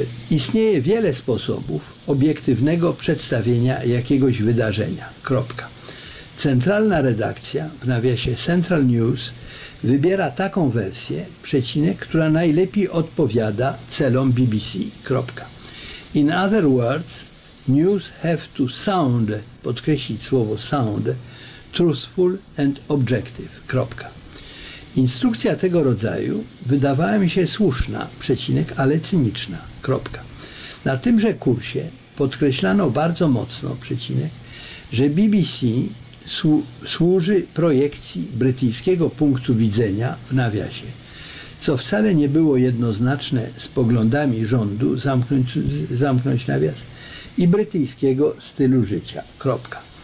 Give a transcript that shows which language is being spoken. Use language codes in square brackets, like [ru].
[pl] istnieje wiele sposobów obiektywnego przedstawienia jakiegoś wydarzenia. Kropka. Centralna redakcja, w nawiasie Central News, wybiera taką wersję, przecinek, która najlepiej odpowiada celom BBC. Kropka. [en] In other words, news have to sound, [pl] podkreślić słowo sound, [en] truthful and objective. [pl] Kropka. Instrukcja tego rodzaju wydawała mi się słuszna, przecinek, ale cyniczna. Kropka. Na tymże kursie podkreślano bardzo mocno, przecinek, że BBC służy projekcji brytyjskiego punktu widzenia, w nawiasie, co wcale nie było jednoznaczne z poglądami rządu, zamknąć nawias, i brytyjskiego stylu życia. Kropka.